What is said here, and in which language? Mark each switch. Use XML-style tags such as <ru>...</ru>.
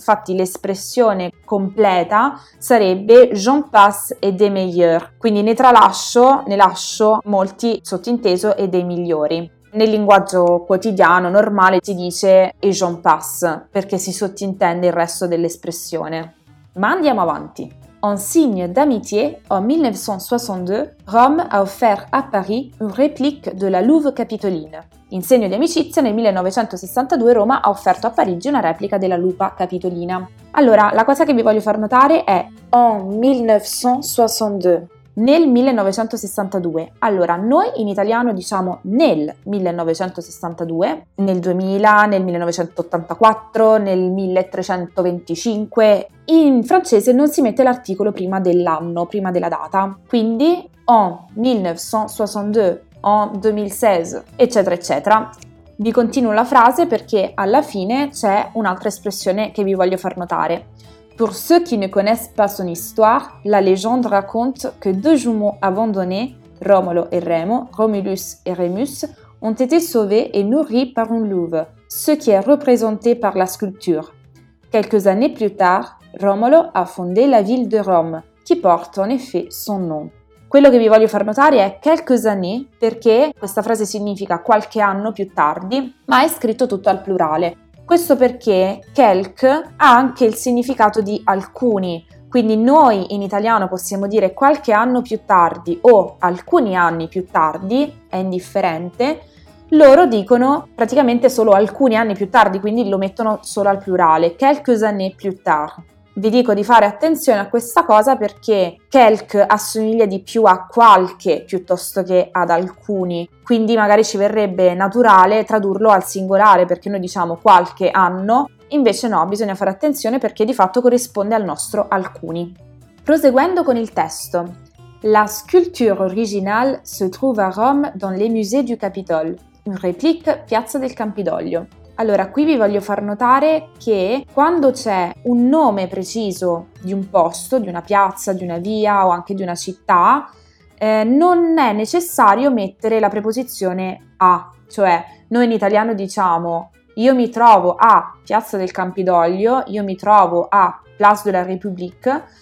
<it>Infatti l'espressione completa sarebbe</it> <fr>j'en passe et des meilleurs,</fr> <it>quindi ne lascio molti, sottinteso, e dei migliori. Nel linguaggio quotidiano normale si dice</it> <fr>et j'en passe,</fr> <it>perché si sottintende il resto dell'espressione. Ma andiamo avanti.</it> <fr>En signe d'amitié, en 1962, Rome a offert à Paris une réplique de la Louve Capitoline.</fr> <it>In segno di amicizia, nel 1962 Roma ha offerto a Parigi una replica della Lupa Capitolina. Allora, la cosa che vi voglio far notare è</it> <fr>en 1962.</fr> <it>Nel 1962. Allora, noi in italiano diciamo nel 1962, nel 2000, nel 1984, nel 1325. In francese non si mette l'articolo prima dell'anno, prima della data. Quindi,</it> <fr>en 1962, en 2016,</fr> <it>eccetera, eccetera. Vi continuo la frase perché alla fine c'è un'altra espressione che vi voglio far notare.</it> <fr>Pour ceux qui ne connaissent pas son histoire, la légende raconte que deux jumeaux abandonnés, Romolo et Remo, Romulus et Remus, ont été sauvés et nourris par une louve, ce qui est représenté par la sculpture. Quelques années plus tard, Romolo a fondé la ville de Rome, qui porte en effet son nom.</fr> <it>Quello che vi voglio far notare è</it> <fr>quelques années,</fr> <it>perché questa frase significa qualche anno più tardi, ma è scritto tutto al plurale. Questo perché quelque ha anche il significato di alcuni, quindi noi in italiano possiamo dire qualche anno più tardi o alcuni anni più tardi, è indifferente, loro dicono praticamente solo alcuni anni più tardi, quindi lo mettono solo al plurale,</it> <fr>quelques années plus tard.</fr> <it>Vi dico di fare attenzione a questa cosa perché quelque assomiglia di più a qualche piuttosto che ad alcuni, quindi magari ci verrebbe naturale tradurlo al singolare, perché noi diciamo qualche anno, invece no, bisogna fare attenzione perché di fatto corrisponde al nostro alcuni. Proseguendo con il testo.</it> <fr>La sculpture originale se trouve a Rome dans les musées du Capitole. Une réplique, Piazza del Campidoglio.</fr> <it>Allora, qui vi voglio far notare che quando c'è un nome preciso di un posto, di una piazza, di una via o anche di una città, non è necessario mettere la preposizione a, cioè noi in italiano diciamo io mi trovo a Piazza del Campidoglio, io mi trovo a Place de la République,</it>